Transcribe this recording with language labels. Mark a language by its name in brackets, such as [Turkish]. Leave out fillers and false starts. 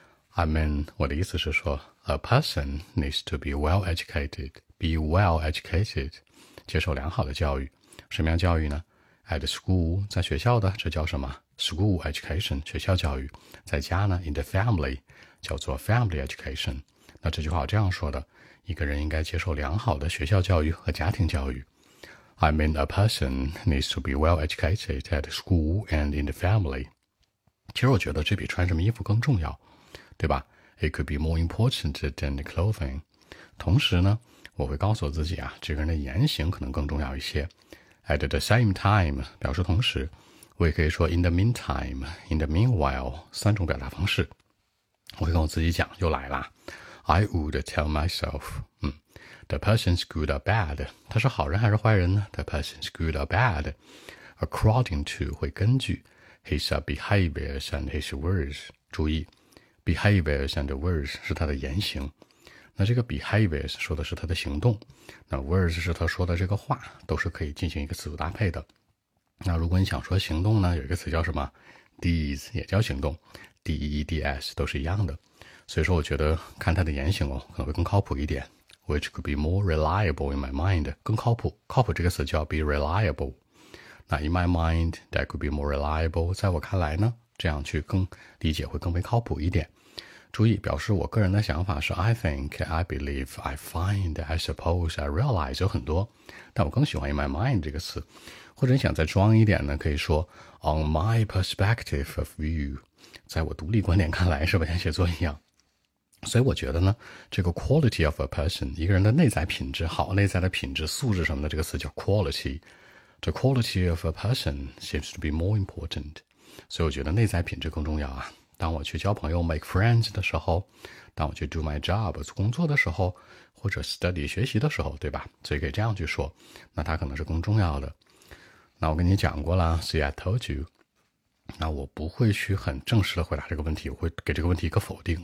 [English] I mean, [Chinese] 我的意思是说 [English] ,a person needs to be well educated, be well educated, [Chinese] 接受良好的教育。什么样教育呢？ [English] At school, [Chinese] 在学校的，这叫什么？ [English] School education, [Chinese] 学校教育。在家呢， [English] in the family, [Chinese] 叫做 [English] family education。 [Chinese] 那这句话这样说的，一个人应该接受良好的学校教育和家庭教育。 [English] I mean, a person needs to be well educated at school and in the family. [Chinese] 其实我觉得这比穿什么衣服更重要，对吧？ [English] It could be more important than the clothing. [Chinese] 同时呢，我会告诉自己啊，这个人的言行可能更重要一些。 [English] At the same time, [Chinese] 表示同时，我也可以说 [English] in the meantime, in the meanwhile, [Chinese] 三种表达方式。我会跟我自己讲，又来了。 [English] I would tell myself, The person's good or bad. [Chinese] 他是好人还是坏人呢？ [English] The person's good or bad. According to [Chinese] 会根据 [English] his behaviors and his words. [Chinese] 注意 [English] behaviors and words [Chinese] 是他的言行。那这个 behaviors 说的是他的行动，那 words 是他说的这个话，都是可以进行一个词组搭配的。那如果你想说行动呢，有一个词叫什么？ These 也叫行动， D-E-E-D-S 都是一样的。所以说我觉得看他的言行哦，可能会更靠谱一点。 [English] Which could be more reliable in my mind, [Chinese] 更靠谱。 靠谱这个词叫 [English] be reliable. 那 in my mind, that could be more reliable. [Chinese] 在我看来呢，这样去更理解会更为靠谱一点。注意，表示我个人的想法是 [English] I think, I believe, I find, I suppose, I realize [Chinese] 有很多，但我更喜欢 [English] in my mind [Chinese] 这个词。或者你想再装一点呢，可以说 [English] on my perspective of view, [Chinese] 在我独立观点看来，是吧？像写作一样。所以我觉得呢，这个 [English] quality of a person, [Chinese] 一个人的内在品质，好，内在的品质素质什么的，这个词叫 quality. [English] The quality of a person seems to be more important. [Chinese] 所以我觉得内在品质更重要啊。当我去交朋友 [English] make friends [Chinese] 的时候，当我去 [English] do my job [Chinese] 工作的时候，或者 study 学习的时候，对吧？所以可以这样去说，那它可能是更重要的。那我跟你讲过了， [English] see I told you. [Chinese] 那我不会去很正式的回答这个问题，我会给这个问题一个否定。